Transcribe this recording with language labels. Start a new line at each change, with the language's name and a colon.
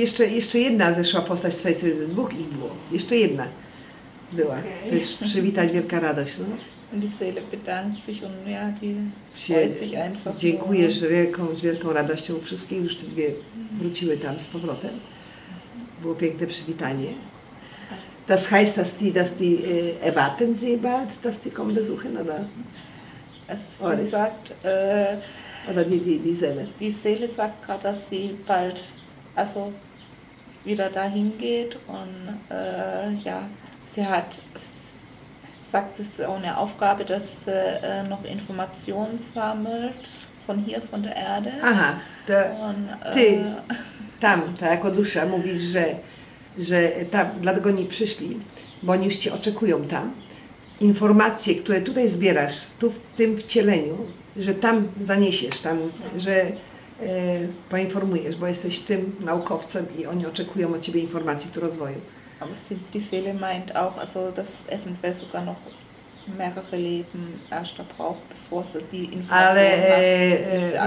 Polish: Jeszcze jedna zeszła postać z twojej cywilizacji. Dwóch ich było. Jeszcze jedna była. Okay. To jest przywitać, wielka radość. No?
German: Und die Seele bedankt sich und ja, die freut sich einfach.
Polish: Dziękuję z wielką radością wszystkich. Już te dwie wróciły tam z powrotem. Było piękne przywitanie.
German: Das heißt, dass die erwarten sie bald, dass die kommen besuchen, oder? Sie sagt, oder die Seele. Die Seele sagt gerade, dass sie bald also wieder dahin geht und ja, sie hat sagt, es ist auch eine Aufgabe, dass sie noch Informationen sammelt von hier, von der Erde.
Polish: Aha, to und, ty tam, ta jako dusza, mówisz, że tam, dlatego nie przyszli, bo oni już cię oczekują tam. Informacje, które tutaj zbierasz, tu w tym wcieleniu, że tam zaniesiesz, tam, że poinformujesz, bo jesteś tym naukowcem i oni oczekują od ciebie informacji tu rozwoju.
German: Aber die Seele meint auch, also dass eventuell sogar noch mehrere Leben erst braucht, bevor sie die Informationen hat.